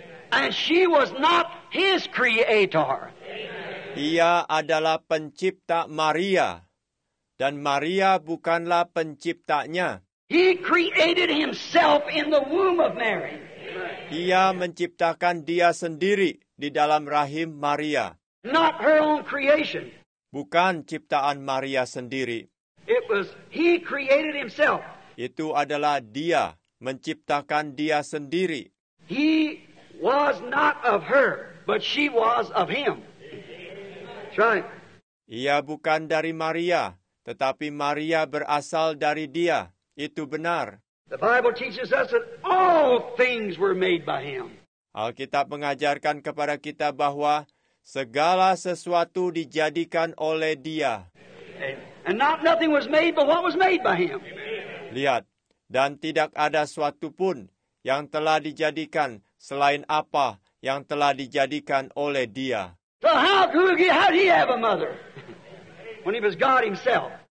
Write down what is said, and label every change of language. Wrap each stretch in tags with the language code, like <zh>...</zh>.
<en>And she was not his creator.</en> <id>Ia adalah pencipta Maria. Dan Maria bukanlah penciptanya.</id> <en>He created himself in the womb of Mary.</en> <id>Ia menciptakan dia sendiri di dalam rahim Maria.</id> <en>Not her own creation.</en> <id>Bukan ciptaan Maria sendiri.</id> <en>It was he created himself.</en> <id>Itu adalah dia menciptakan dia sendiri.</id> <en>He was not of her, but she was of him. That's right.</en> <id>Ia bukan dari Maria, tetapi Maria berasal dari dia. Itu benar.</id> <en>The Bible teaches us that all things were made by him.</en> <id>Alkitab mengajarkan kepada kita bahwa segala sesuatu dijadikan oleh dia.</id> <en>And not nothing was made, but what was made by him.</en> <id>Lihat, dan tidak ada suatu pun yang telah dijadikan selain apa yang telah dijadikan oleh dia.</id> <en>So how did he have a mother when he was God himself?</en>